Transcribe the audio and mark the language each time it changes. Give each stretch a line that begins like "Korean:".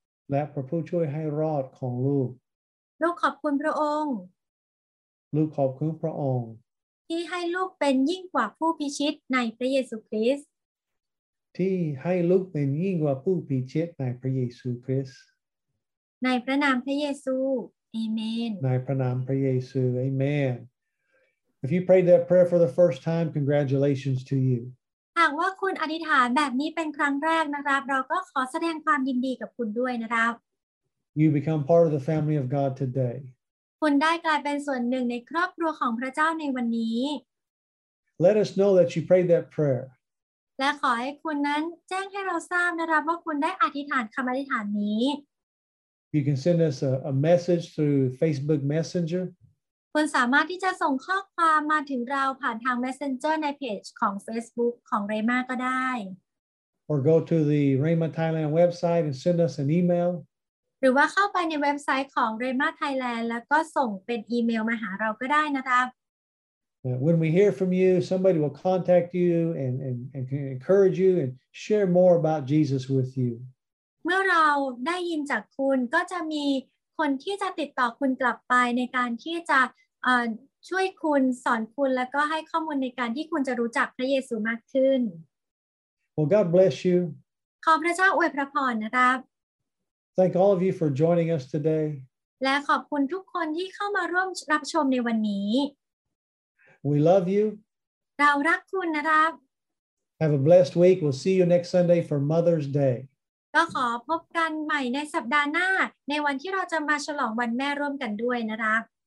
Thai: และพระผู้ช่วยให้รอดของลูก ลูกขอบคุณพระองค์ ลูกขอบคุณพระองค์ ที่ให้ลูกเป็นยิ่งกว่าผู้พิชิตในพระเยซูคริสต์ ที่ให้ลูกเป็นยิ่งกว่าผู้พิชิตในพระเยซูคริสต์ในพระนามพระเยซูอาเมน ในพระนามพระเยซูอาเมน
English: If you prayed that prayer for the first time, congratulations to you
Thai: หากว่าคุณอธิษฐานแบบนี้เป็นครั้งแรกนะครับเราก็ขอแสดงความยินดีกับคุณด้วยนะครับ
English: You become part of the family of God today
Thai: คุณได้กลายเป็นส่วนหนึ่งในครอบครัวของพระเจ้าในวันนี้
English: Let us know that you prayed that prayer
Thai: และขอให้คุณนั้นแจ้งให้เราทราบนะครับว่าคุณได้อธิษฐานคำอธิษฐานนี้
English: You can send us a message through Facebook Messenger
Thai: คุณสามารถที่จะส่งข้อความมาถึงเราผ่านทาง Messenger ในเพจของ Facebook ของ Rhema ก็ได้
English: Or go to the Rhema Thailand website and send us an email
Thai: หรือว่าเข้าไปในเว็บไซต์ของ Rhema Thailand แล้วก็ส่งเป็นอีเมลมาหาเราก็ได้นะครับ
English: When we hear from you, somebody will contact you and can encourage you and share more about Jesus with you.
Thai: เมื่อเราได้ยินจากคุณก็จะมีคนที่จะติดต่อคุณกลับไปในการที่จะช่วยคุณสอนคุณแล้วก็ให้ข้อมูลในการที่คุณจะรู้จักพระเยซูมากขึ้น
English: Well, God bless you.
Thai: ขอพระเจ้าอวยพระพรนะครับ
English: Thank all of you for joining us today.
Thai: และขอบคุณทุกคนที่เข้ามาร่วมรับชมในวันนี้
English: We love you.
Thai: เรารักคุณนะครับ
English: Have a blessed week. We'll see you next Sunday for Mother's Day.
Thai: ก็ขอพบกันใหม่ในสัปดาห์หน้าในวันที่เราจะมาฉลองวันแม่ร่วมกันด้วยนะครับ